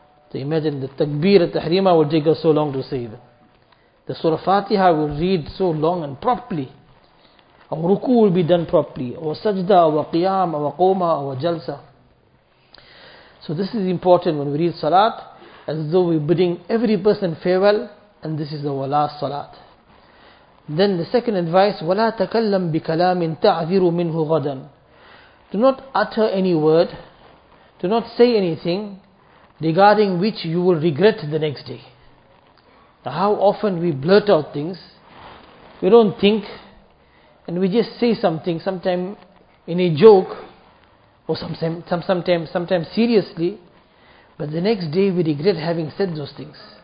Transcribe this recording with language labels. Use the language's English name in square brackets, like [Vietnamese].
[English] So imagine the takbir at tahrima will take us so long to say it. The surah Fatiha will read so long and properly. Our ruku will be done properly. Our sajda, our qiyam, our qoma, our jalsa. So this is important when we read salat, as though we're bidding every person farewell, and this is our last salat. Then the second advice, [Arabic] وَلَا تَكَلَّمْ بِكَلَامٍ تَعْذِرُ مِنْهُ غَدًا. [English] Do not utter any word, do not say anything regarding which you will regret the next day. Now how often we blurt out things, we don't think, and we just say something, sometimes in a joke, or sometimes seriously, but the next day we regret having said those things.